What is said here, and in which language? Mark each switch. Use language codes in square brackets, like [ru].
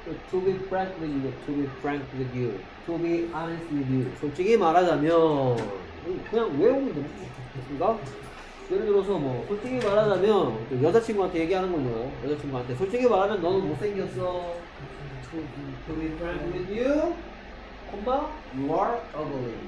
[en] To be frank with you, to be frank with you, to be honest with you. [ko] 솔직히 말하자면 그냥 외우면 되겠습니까? 예를 들어서 뭐 솔직히 말하자면 여자친구한테 얘기하는 건 뭐예요? 여자친구한테 솔직히 말하면 너는 못생겼어. [en] To be frank with you, 콤마 you are ugly.